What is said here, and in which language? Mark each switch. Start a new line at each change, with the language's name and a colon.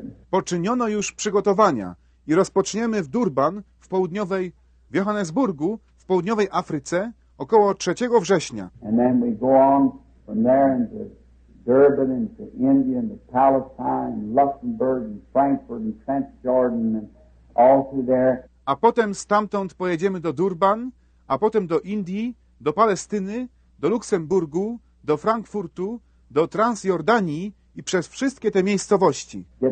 Polish: Poczyniono już przygotowania i rozpoczniemy w Durban w południowej Johannesburgu w południowej Afryce około 3 września.
English: And then we go on from there into Durban and to India and to Palestine and Luxembourg and Frankfurt and Transjordan and all through there.
Polish: A potem stamtąd pojedziemy do Durban, a potem do Indii, do Palestyny, do Luksemburgu, do Frankfurtu, do Transjordanii i przez wszystkie te miejscowości.